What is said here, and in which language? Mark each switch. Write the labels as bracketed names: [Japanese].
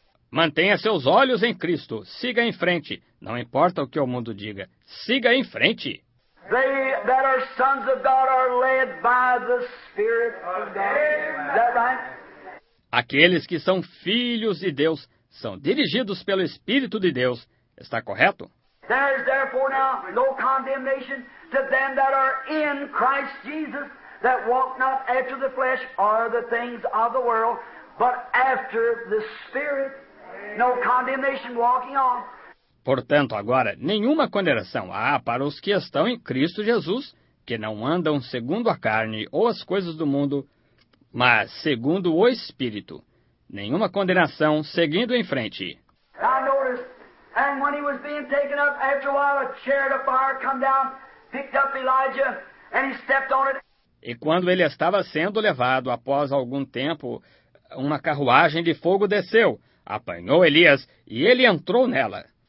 [Portuguese] Mantenha seus olhos em Cristo. Siga em frente. Não importa o que o mundo diga. Siga em frente. [English] They that are sons of God are led by the Spirit of God. Is that right? [Portuguese] Aqueles que são filhos de Deus são dirigidos pelo Espírito de Deus. Está correto? [English] There is therefore now no condemnation to them that are in Christ Jesus, that walk not after the flesh or the things of the world, but after the Spirit. No condemnation walking on. [Portuguese] Portanto, agora, nenhuma condenação há para os que estão em Cristo Jesus, que não andam segundo a carne ou as coisas do mundo, mas segundo o Espírito. Nenhuma condenação, seguindo em frente. [English] I noticed, and when he was being taken up, after a while, a chariot of fire come down, picked up Elijah, and he stepped on it. [Portuguese] E quando ele estava sendo levado, após algum tempo, uma carruagem de fogo desceu, apanhou Elias e ele entrou nela.